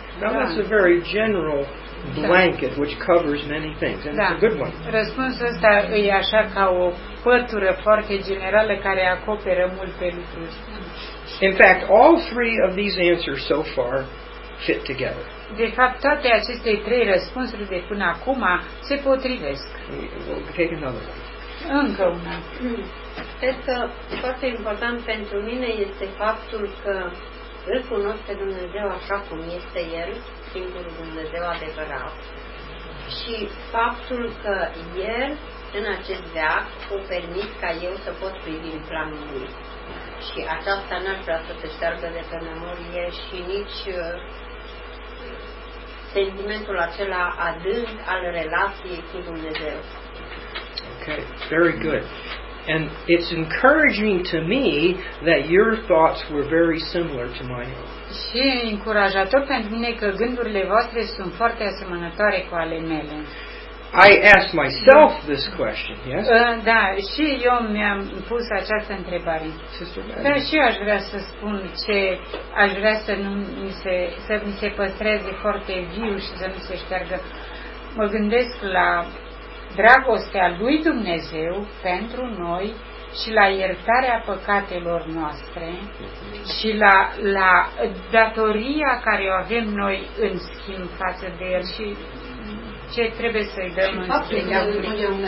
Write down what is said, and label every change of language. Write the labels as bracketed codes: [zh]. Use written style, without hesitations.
[en] Now that's a very general blanket which covers many things, and it's a good one. [ro] Răspunsul ăsta e așa ca o pătură foarte generală care acoperă multe lucruri. [en] In fact, all three of these answers so far fit together. [ro] De fapt, toate aceste trei răspunsuri de până acum se potrivesc. [en] We'll take another one. [ro] Încă una. Cred că foarte important pentru mine este faptul că îl cunosc pe Dumnezeu așa cum este El, singurul Dumnezeu adevărat, și faptul că El în acest veac o permit ca eu să pot privi în planul Lui. Și aceasta n-ar vrea să se șteargă de pe memorie și nici sentimentul acela adânc al relației cu Dumnezeu. [en] Okay, very good. And it's encouraging to me that your thoughts were very similar to my own. [ro] Și încurajator pentru mine că gândurile voastre sunt foarte asemănătoare cu ale mele. [en] I asked myself this question, yes? [ro] Da, și eu mi-am pus această întrebare. Da, și eu aș vrea să spun ce aș vrea să nu mi se, să mi se păstreze foarte viu și să nu se șteargă. Mă gândesc la dragostea lui Dumnezeu pentru noi și la iertarea păcatelor noastre și la datoria care o avem noi în schimb față de El și ce trebuie să-i dăm în schimb.